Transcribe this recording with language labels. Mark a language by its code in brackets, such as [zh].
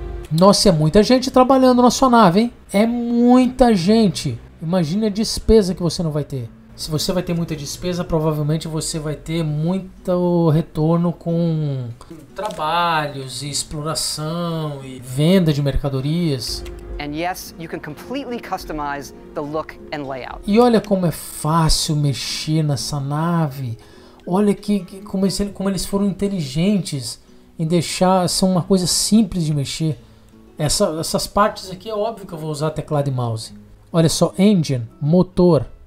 [pt] Nossa, é muita gente trabalhando na sua nave, hein? É muita gente. Imagine a despesa que você não vai ter. Se você vai ter muita despesa, provavelmente você vai ter muito retorno com trabalhos e exploração e venda de mercadorias. [en] And yes, you can completely customize the look and layout. [pt] E olha como é fácil mexer nessa nave. Olha que como eles foram inteligentes em deixar ser uma coisa simples de mexer. Essas partes aqui é óbvio que eu vou usar teclado e mouse. Olha só, engine, motor.